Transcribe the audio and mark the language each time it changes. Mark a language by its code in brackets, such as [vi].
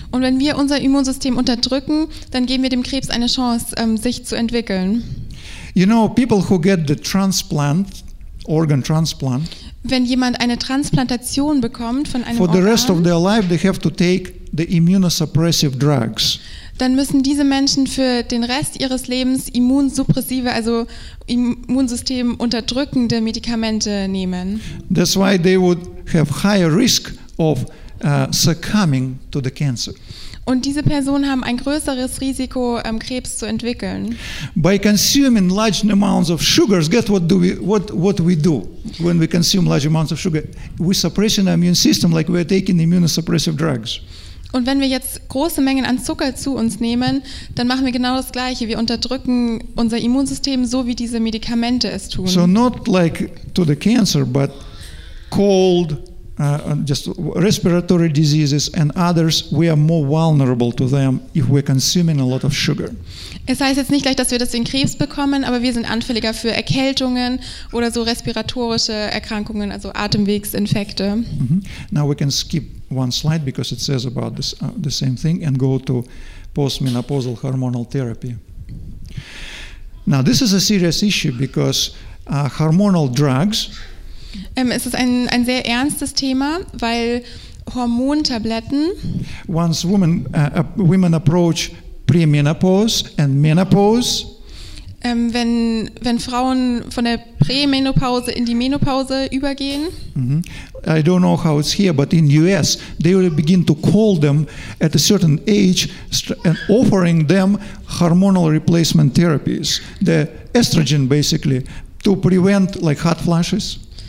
[de] Und wenn wir unser Immunsystem unterdrücken, dann geben wir dem Krebs eine Chance, sich zu entwickeln. [en] You know, people who get the transplant, organ transplant. [de] Wenn jemand eine Transplantation bekommt von einem Organ. [en] For the rest of their life, they have to take the immunosuppressive drugs. [de] Dann müssen diese Menschen für den Rest ihres Lebens immunsuppressive, also Immunsystem unterdrückende Medikamente nehmen. [en] That's why they would have higher risk of succumbing to the cancer. [de] Und diese Personen haben ein größeres Risiko, Krebs zu entwickeln. [en] By consuming large amounts of sugars, guess what we do when we consume large amounts of sugar? We suppress the immune system like we're taking immunosuppressive drugs. [de] Und wenn wir jetzt große Mengen an Zucker zu uns nehmen, dann machen wir genau das Gleiche. Wir unterdrücken unser Immunsystem, so wie diese Medikamente es tun. [en] So not like to the cancer, but cold, just respiratory diseases and others, we are more vulnerable to them if we're consuming a lot of sugar. [de] Es heißt jetzt nicht gleich, dass wir deswegen Krebs bekommen, aber wir sind anfälliger für Erkältungen oder so respiratorische Erkrankungen, also Atemwegsinfekte. Mm-hmm. [en] Now we can skip one slide because it says about this, the same thing, and go to postmenopausal hormonal therapy. Now this is a serious issue because hormonal drugs. [de] Es ist ein sehr ernstes Thema, weil Hormontabletten. [en] Once women approach premenopause and menopause. [de] Wenn Frauen von der Prämenopause in die Menopause übergehen. Mm-hmm. [en] I don't know how it's here, but in US they will begin to call them at a certain age and offering them hormonal replacement therapies, the estrogen basically, to prevent like hot flashes.